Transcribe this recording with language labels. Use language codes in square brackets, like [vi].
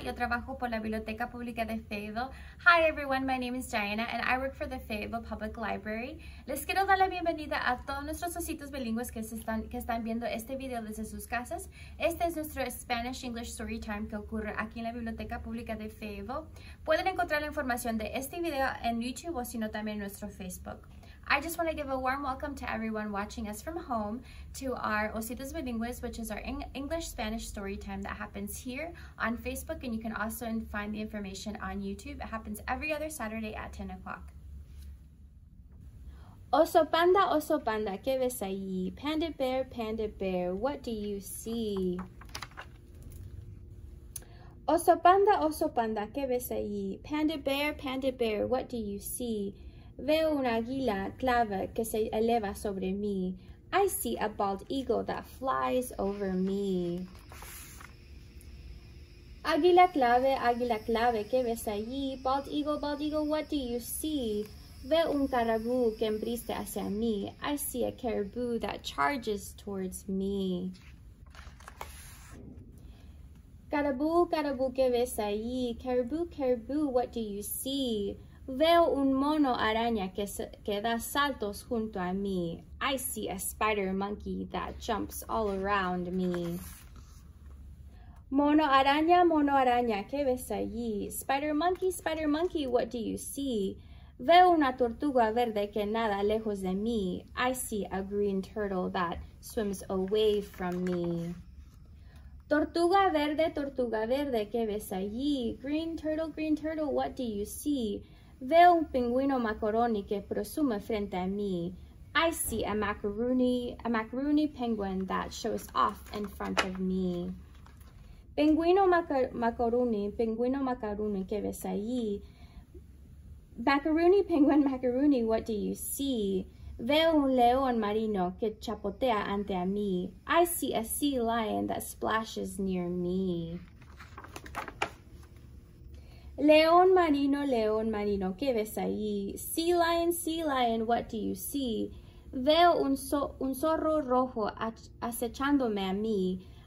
[es] Yo trabajo por la Biblioteca Pública de Fayetteville. [en] Hi, everyone. My name is Diana, and I work for the Fayetteville Public Library. [es] Les quiero dar la bienvenida a todos nuestros ositos bilingües que están viendo este video desde sus casas. Este es nuestro Spanish-English Storytime que ocurre aquí en la Biblioteca Pública de Fayetteville. Pueden encontrar la información de este video en YouTube o sino también en nuestro Facebook. [en] I just want to give a warm welcome to everyone watching us from home to our Ositos Bilingües, which is our English-Spanish story time that happens here on Facebook, and you can also find the information on YouTube. It happens every other Saturday at 10 o'clock. [es] Oso panda, ¿qué ves ahí? [en] Panda bear, what do you see? [es] Oso panda, ¿qué ves ahí? [en] Panda bear, what do you see? [es] Veo una águila clava que se eleva sobre mí. [en] I see a bald eagle that flies over me. [es] Águila clava, ¿qué ves allí? [en] Bald eagle, what do you see? [es] Veo un caribú que embiste hacia mí. [en] I see a caribou that charges towards me. [es] Caribú, caribú, ¿qué ves allí? [en] Caribú, caribú, what do you see? [es] Veo un mono araña que da saltos junto a mí. [en] I see a spider monkey that jumps all around me. [es] Mono araña, ¿qué ves allí? [en] Spider monkey, what do you see? [es] Veo una tortuga verde que nada lejos de mí. [en] I see a green turtle that swims away from me. [es] Tortuga verde, ¿qué ves allí? [en] Green turtle, what do you see? [es] Veo un pingüino macaroni que presume frente a mí. [en] I see a macaroni penguin that shows off in front of me. [es] Pingüino macaroni, ¿qué ves allí? [en] Macaroni penguin, macaroni, what do you see? [es] Veo un león marino que chapotea ante a mí. [en] I see a sea lion that splashes near me. [es] León marino, ¿qué ves ahí? [en] Sea lion, what do you see? [es] Veo un zorro rojo acechándome a mí.